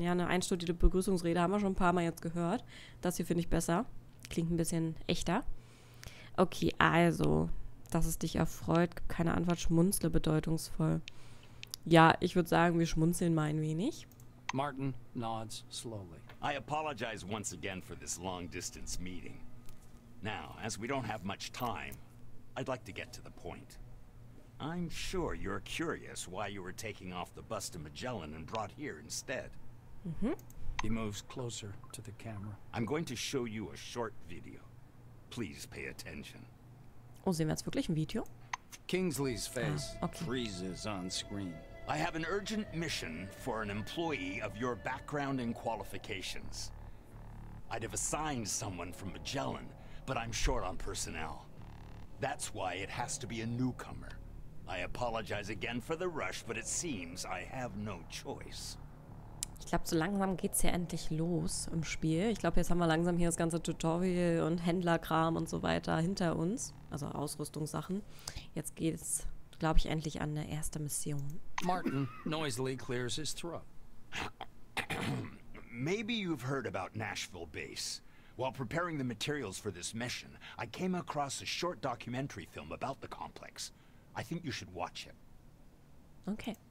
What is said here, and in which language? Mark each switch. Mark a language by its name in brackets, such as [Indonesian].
[German] Ja, eine einstudierte Begrüßungsrede haben wir schon ein paar Mal jetzt gehört. Das hier finde ich besser. Klingt ein bisschen echter. Okay, also, dass es dich erfreut, gibt keine Antwort, schmunzle bedeutungsvoll. Ja, ich würde sagen, wir schmunzeln mal ein wenig. [English] Martin nods slowly. I apologize once again for this long-distance meeting. Now, as we don't have much time, I'd like to get to the point. I'm sure you're curious why you were taking off the bus to Magellan and brought here instead. Mm-hmm. He moves closer to the camera. I'm going to show you a short video. Please pay attention. [German] Oh, sehen wir jetzt wirklich ein Video? [English] Kingsley's face freezes on screen. I have an urgent mission for an employee of your background and qualifications. I'd have assigned someone from Magellan, but I'm short on personnel. That's why it has to be a newcomer. I apologize again for the rush, but it seems I have no choice. [German] Ich glaube, so langsam geht's ja endlich los im Spiel. Ich glaube, jetzt haben wir langsam hier das ganze Tutorial und Händlerkram und so weiter hinter uns, also Ausrüstungssachen. Jetzt geht's, glaube ich, endlich an der erste Mission. [English] Martin noisily clears his throat. Maybe you've heard about Nashville Base. While preparing the materials for this mission, I came across a short documentary film about the complex. I think you should watch it. Okay.